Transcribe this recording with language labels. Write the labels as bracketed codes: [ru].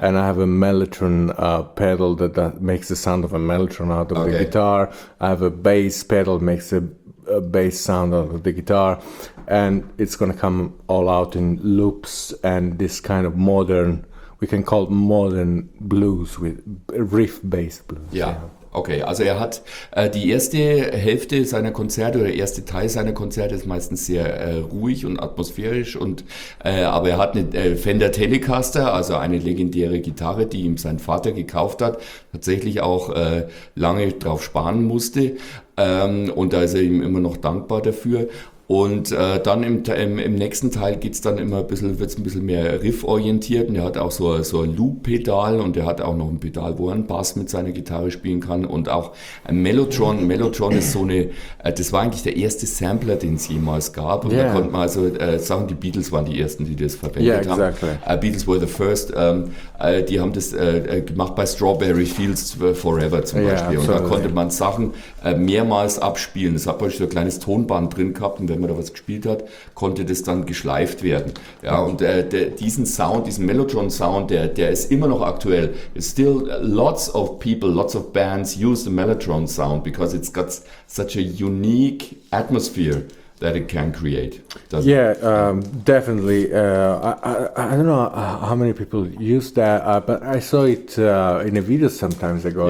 [en] And I have a mellotron pedal that makes the sound of a mellotron out of okay. the guitar. I have a bass pedal that makes a bass sound out of the guitar. And it's going to come all out in loops and this kind of modern, we can call it modern blues with riff-based blues. Yeah. [de] Okay, also er hat die erste Hälfte seiner Konzerte oder der erste Teil seiner Konzerte ist meistens sehr ruhig und atmosphärisch und aber er hat eine Fender Telecaster, also eine legendäre Gitarre, die ihm sein Vater gekauft hat, tatsächlich auch lange drauf sparen musste und da ist er ihm immer noch dankbar dafür. Und dann im nächsten Teil geht's dann immer wird's ein bisschen mehr rifforientiert und er hat auch so ein Loop-Pedal und er hat auch noch ein Pedal, wo er einen Bass mit seiner Gitarre spielen kann und auch ein Mellotron. Mellotron ist so eine, das war eigentlich der erste Sampler, den es jemals gab und [en] yeah. [de] da konnte man also sagen, die Beatles waren die ersten, die das verwendet [en] yeah, exactly. [de] haben. [en] Beatles were the first, [de] die haben das gemacht bei Strawberry Fields Forever zum [en] yeah, [de] Beispiel Und da konnte man Sachen mehrmals abspielen. Es hat praktisch so ein kleines Tonband drin gehabt. Wenn man da was gespielt hat, konnte das dann geschleift werden. Ja, und diesen Sound, diesen Mellotron-Sound, der ist immer noch aktuell. [en] It's still lots of people, lots of bands use the Mellotron-Sound because it's got such a unique atmosphere that it can create. Doesn't yeah, it? Definitely. I don't know how many people use that, but I saw it in a video sometimes ago,